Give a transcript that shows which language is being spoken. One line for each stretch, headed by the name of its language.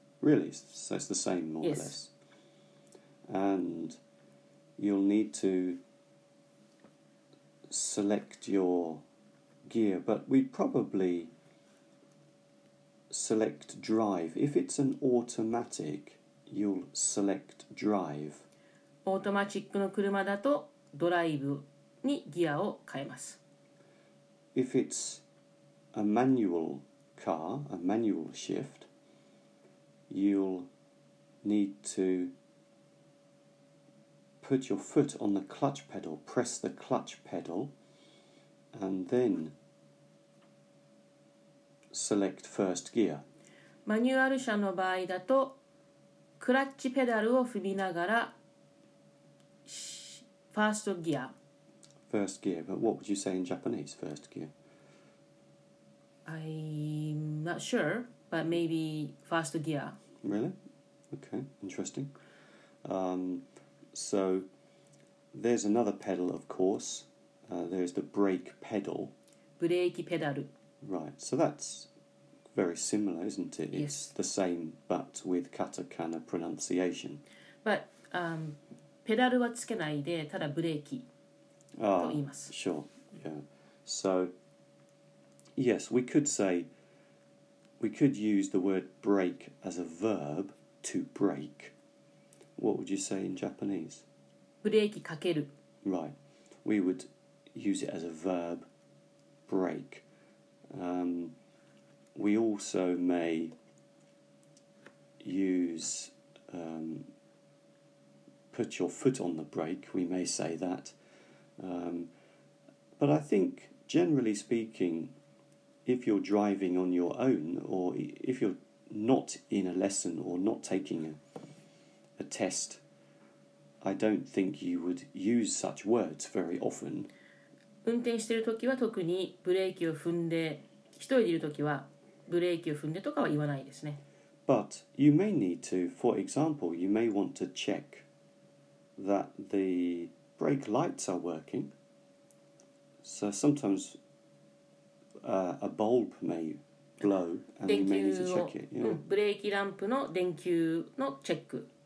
English: Really? So it's the same more or less. And you'll need toselect your gear, but we'd probably select drive. If it's an automatic, you'll select drive.
Japanese: オートマチックの車だとドライブにギアを変えます。
English: If it's a manual car, a manual shift, you'll need to put your foot on the clutch pedal, press the clutch pedal,And then select first gear.
Japanese: マニュアル車の場合だと、クラッチペダルを踏みながら、ファーストギア。
English: First gear, but what would you say in Japanese, first gear? I'm not sure, but maybe first gear. Really? Okay, interesting. So, there's another pedal, of course. There's the brake pedal.
Japanese: ブレーキペダル。
English: Right, so that's very similar, isn't it? Yes. It's the same, but with katakana pronunciation.
Japanese: But, ペダルはつけないで、ただブレーキと言います。
English: Sure, yeah. So, yes, we could say, we could use the word brake as a verb, to break. What would you say in Japanese?
Japanese: ブレーキかける。
English: Right, we would... use it as a verb, break. We also may use put your foot on the brake, we may say that. But I think, generally speaking, if you're driving on your own, or if you're not in a lesson or not taking a test, I don't think you would use such words very often.
Japanese: 運転してるときは特にブレーキを踏んで、一人でいるときはブレーキを踏んでとかは言わないですね。
English: But you may need to, for example, you may want to check that the brake lights are working. So sometimes, a bulb may blow and you may need to check it. Yeah.
Japanese: ブレーキランプの電球のチェック。